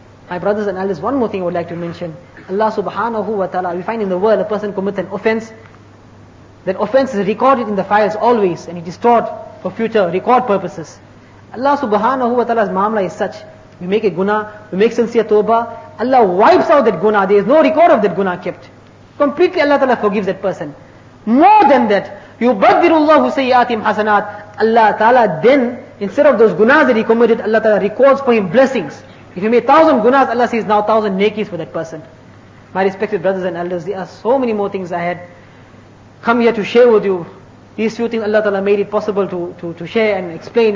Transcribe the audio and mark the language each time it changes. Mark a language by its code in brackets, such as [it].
[en] My brothers and elders, one more thing I would like to mention. Allah subhanahu wa ta'ala, we find in the world a person commits an offense, that offense is recorded in the files always and it is stored for future record purposes. Allah subhanahu wa ta'ala's ma'amla is such, we make a guna, we make sincere tawbah, Allah wipes out that guna, there is no record of that guna kept. Completely Allah ta'ala forgives that person. [ar] More than that, يُبَدِّرُ اللَّهُ سَيِّئَاتِهِمْ حَسَنَاتِ. [en] Allah ta'ala then, instead of those gunas that he committed, Allah ta'ala records for him blessings. If he made 1,000 gunas, Allah says now 1,000 nekis for that person. My respected brothers and elders, there are so many more things I had come here to share with you. These few things Allah ta'ala made it possible to share and explain.